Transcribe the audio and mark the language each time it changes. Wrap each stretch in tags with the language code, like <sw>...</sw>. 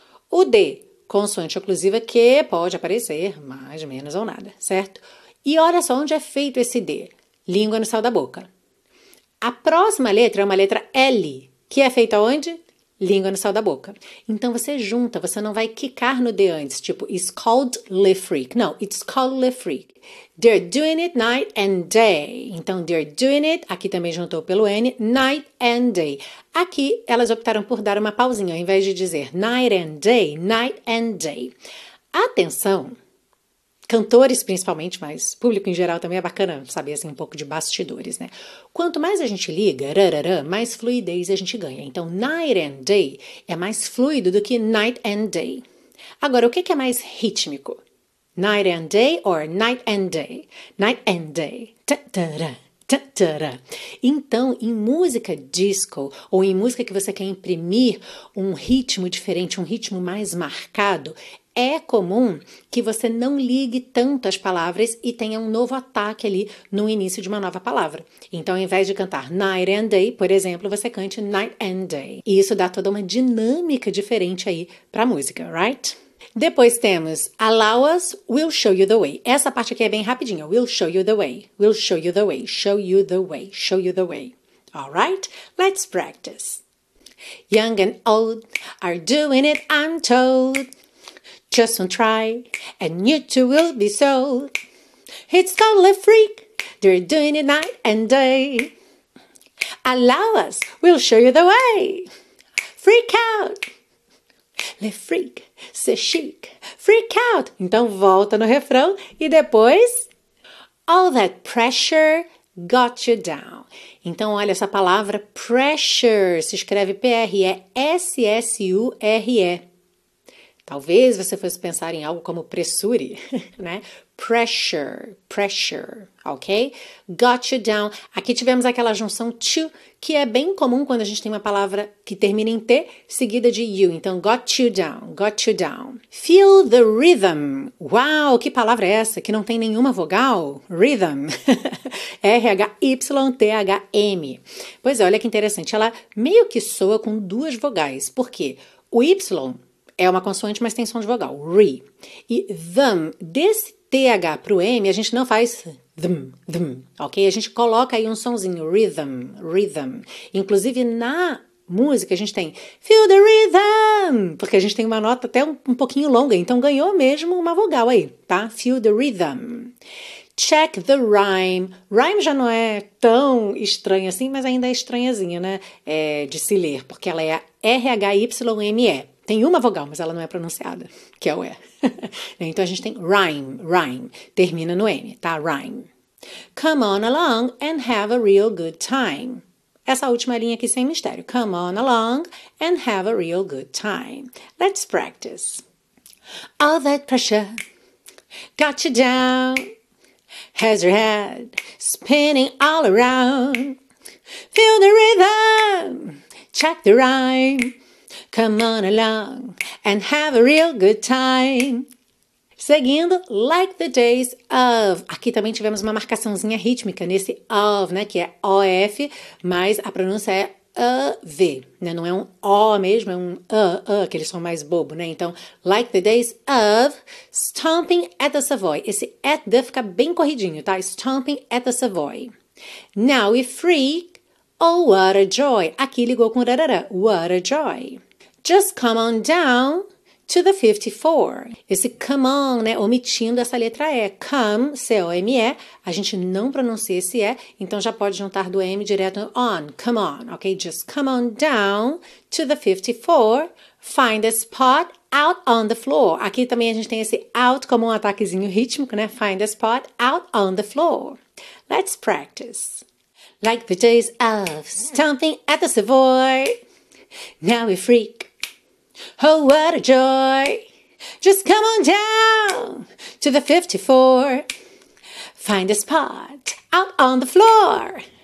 <pt>O D, consoante oclusiva que pode aparecer, mais, menos ou nada, certo? E olha só onde é feito esse D. Língua no céu da boca. A próxima letra é uma letra L, que é feita onde? Língua no céu da boca. Então, você junta, você não vai quicar no D antes, tipo,</pt> <en>it's called Le Freak. Não, it's called Le Freak. They're doing it night and day.</en> <pt>Então,</pt> <en>they're doing it,</en> <pt>aqui também juntou pelo N,</pt> <en>night and day.</en> <pt>Aqui, elas optaram por dar uma pausinha, ao invés de dizer</pt> <en>night and day, night and day.</en> <pt>Atenção, cantores principalmente, mas público em geral também é bacana saber assim, um pouco de bastidores, né? Quanto mais a gente liga, rarara, mais fluidez a gente ganha. Então,</pt> <en>night and day</en> <pt>é mais fluido do que night and day. Agora, o que é mais rítmico?</pt> <en>Night and day or night and day? Night and day. Ta-ta-ra, ta-ta-ra.</en> <pt>Então, em música disco ou em música que você quer imprimir um ritmo diferente, um ritmo mais marcado, é comum que você não ligue tanto as palavras e tenha um novo ataque ali no início de uma nova palavra. Então, ao invés de cantar</pt> <en>night and day,</en> <pt>por exemplo, você cante night and day. E isso dá toda uma dinâmica diferente aí para a música, right? Depois temos</pt> <en>allow us, we'll show you the way.</en> <pt>Essa parte aqui é bem rapidinha.</pt> <en>We'll show you the way. We'll show you the way. Show you the way. Show you the way. All right? Let's practice. Young and old are doing it, I'm told. Just one try, and you two will be sold. It's called Le Freak, they're doing it night and day. Allow us, we'll show you the way. Freak out, Le Freak, c'est chic, freak out.</en> <pt>Então volta no refrão e depois...</pt> <en>All that pressure got you down.</en> <pt>Então olha essa palavra, pressure, se escreve P-R-E, S-S-U-R-E. Talvez você fosse pensar em algo como pressure, né?</pt> <en>Pressure, pressure, ok? Got you down.</en> <pt>Aqui tivemos aquela junção to, que é bem comum quando a gente tem uma palavra que termina em T, seguida de you.</pt> <en>Então, got you down, got you down. Feel the rhythm.</en> <pt>Uau, que palavra é essa? Que não tem nenhuma vogal? Rhythm. R-H-Y-T-H-M. Pois é, olha que interessante. Ela meio que soa com duas vogais. Por quê? O Y... é uma consoante, mas tem som de vogal, re. E them, desse TH para o M, a gente não faz them, them, ok? A gente coloca aí um sonzinho, rhythm, rhythm. Inclusive, na música, a gente tem</pt> <en>feel the rhythm,</en> <pt>porque a gente tem uma nota até um pouquinho longa, então ganhou mesmo uma vogal aí, tá?</pt> <en>Feel the rhythm. Check the rhyme.</en> <pt>Rhyme já não é tão estranha assim, mas ainda é estranhazinha, né? É de se ler, porque ela é R-H-Y-M-E. Tem uma vogal, mas ela não é pronunciada, que é o E. Então, a gente tem rhyme, rhyme. Termina no N, tá? Rhyme.</pt> <en>Come on along and have a real good time.</en> <pt>Essa última linha aqui sem mistério.</pt> <en>Come on along and have a real good time. Let's practice. All that pressure got you down. Has your head spinning all around. Feel the rhythm, check the rhyme. Come on along and have a real good time. Seguindo, like the days of.</en> <pt>Aqui também tivemos uma marcaçãozinha rítmica nesse of, né? Que é O-F, mas a pronúncia é A-V, né? Não é um O mesmo, é um A-A, aquele som mais bobo, né?</pt> <en>Então, like the days of stomping at the Savoy.</en> <pt>Esse at the fica bem corridinho, tá?</pt> <en>Stomping at the Savoy. Now we freak, oh what a joy.</en> <pt>Aqui ligou com rarara,</pt> <en>what a joy. Just come on down to the 54.</en> <pt>Esse come on, né? Omitindo essa letra E. Come, C-O-M-E. A gente não pronuncia esse E. Então, já pode juntar do M direto no on.</pt> <en>Come on, ok? Just come on down to the 54. Find a spot out on the floor.</en> <pt>Aqui também a gente tem esse out como um ataquezinho rítmico, né?</pt> <en>Find a spot out on the floor. Let's practice. Like the days of stomping at the Savoy. Now we freak. Oh, what a joy. Just come on down to the 54. Find a spot out on the floor.</en>